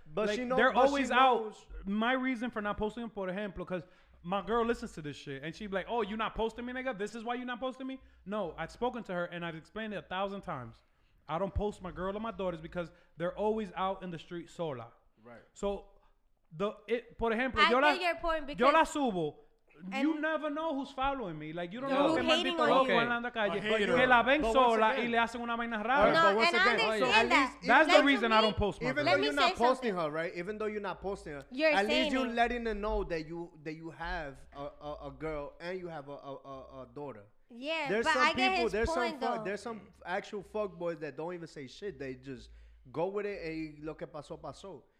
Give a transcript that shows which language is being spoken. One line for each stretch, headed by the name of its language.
English: But like, she knows. They're but always knows. Out. My reason for not posting them, por ejemplo, because my girl listens to this shit, and she'd be like, oh, you're not posting me, nigga? This is why you're not posting me? No, I've spoken to her, and I've explained it 1,000 times. I don't post my girl or my daughters because they're always out in the street sola. Right.
Spanish: So, por ejemplo, yo la subo.
English: You never know who's following me. Like, you don't know who's hating on you. Okay.
Spanish: Que la ven sola y le hacen una vaina rara.
English: No, and I understand that. That's the reason I don't post my girl. Even though you're not posting her, right? Even though you're not posting her, at least you're letting her know that you have a girl and you have a daughter. Yeah, there's some people, there's some actual fuckboys that don't even say shit. They just go with it and lo que pasó, pasó.